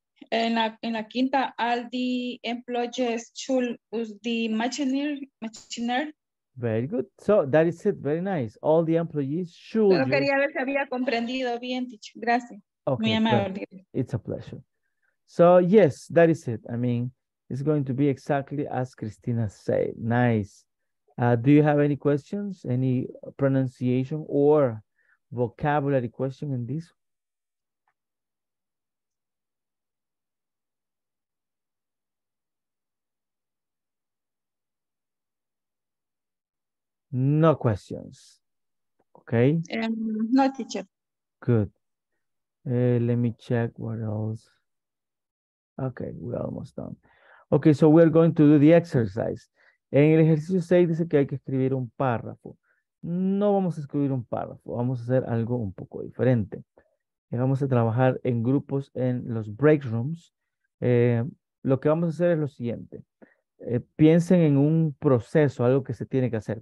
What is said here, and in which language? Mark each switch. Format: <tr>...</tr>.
<es>En la quinta,</es> <en>all the employees should use the machinery. Very good. So that is it. Very nice. All the employees should.</en> <es>Pero quería ver si había comprendido bien, teacher. Gracias. Okay, muy amable.</es> <en>It's a pleasure. So yes, that is it. I mean, it's going to be exactly as Cristina said. Nice. Do you have any questions, any pronunciation or vocabulary question in this? No questions. Okay. No, teacher. Good. Let me check what else. Okay, we're almost done. Okay, so we're going to do the exercise.</en> <es>En el ejercicio 6 dice que hay que escribir un párrafo. No vamos a escribir un párrafo, vamos a hacer algo un poco diferente. Vamos a trabajar en grupos en los break rooms. Lo que vamos a hacer es lo siguiente. Piensen en un proceso, algo que se tiene que hacer.</es>